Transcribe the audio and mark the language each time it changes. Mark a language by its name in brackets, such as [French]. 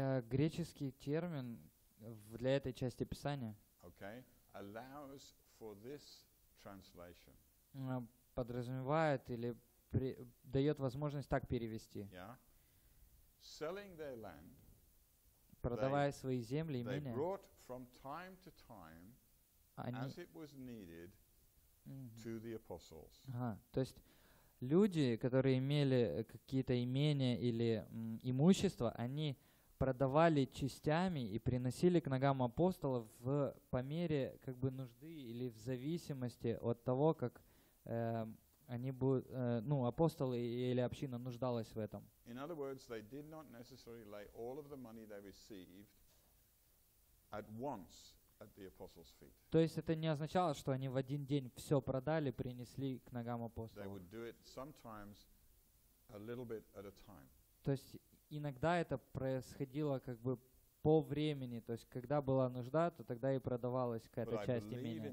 [Russian] греческий термин для этой части Писания [English] okay, allows for this translation. [Russian] Подразумевает или дает возможность так перевести. [English] Yeah. Selling their land, [Russian] продавая свои земли и имения, [English] they brought from time to time as it was needed to the apostles. [Russian] То есть люди, которые имели какие-то имения или имущество, они продавали частями и приносили к ногам апостолов по мере как бы нужды или в зависимости от того, как они будут, ну, апостолы или община нуждалась в этом. [English] In other words, they did not necessarily lay all of the money they received at once at the apostles' feet. [Russian] То есть это не означало, что они в один день все продали, принесли к ногам апостолов. [English] They would do it sometimes a little bit at a time. [Russian] То есть иногда это происходило как бы по времени, то есть когда была нужда, то тогда и продавалась какая-то часть имения.